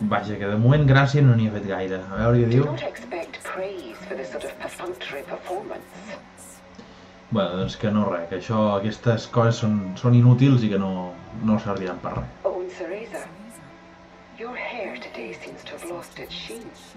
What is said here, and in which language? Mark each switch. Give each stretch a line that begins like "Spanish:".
Catalan: Vaja, que de moment gràcia no n'hi ha fet gaire. A veure què diu.
English: Do not expect praise for this sort of perfunctory performance.
Catalan: Bé, doncs que no res, que això, aquestes coses són inútils i que no serviran per res.
English: Oh, and Cereza, your hair today seems to have lost its sheen.